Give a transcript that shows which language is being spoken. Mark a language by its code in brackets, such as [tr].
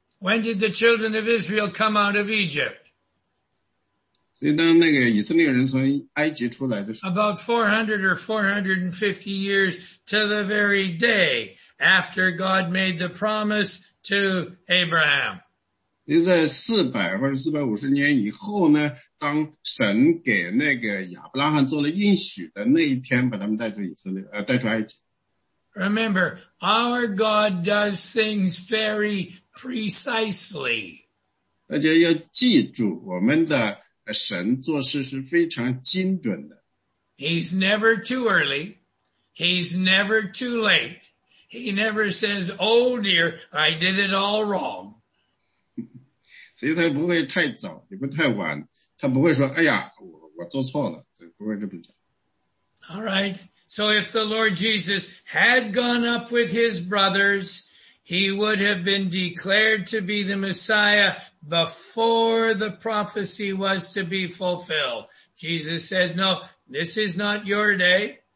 [en] When did the children of Israel come out of Egypt? [zh] 所以当那个以色列人从埃及出来的时候。 [en] About 400 or 450 years to the very day after God made the promise to Abraham. [zh] 所以在400或者450年以后呢，当神给那个亚伯拉罕做了应许的那一天，把他们带出以色列，带出埃及。 [en] Remember, our God does things very precisely. [zh] 大家要记住，我们的神做事是非常精准的。 [en] He's never too early. He's never too late. He never says, oh dear, I did it all wrong. [zh] 所以他不会太早，也不太晚。他不会说，哎呀，我做错了，不会这么讲。 [en] All right. So if the Lord Jesus had gone up with his brothers, he would have been declared to be the Messiah before the prophecy was to be fulfilled. Jesus says, no, this is not your day.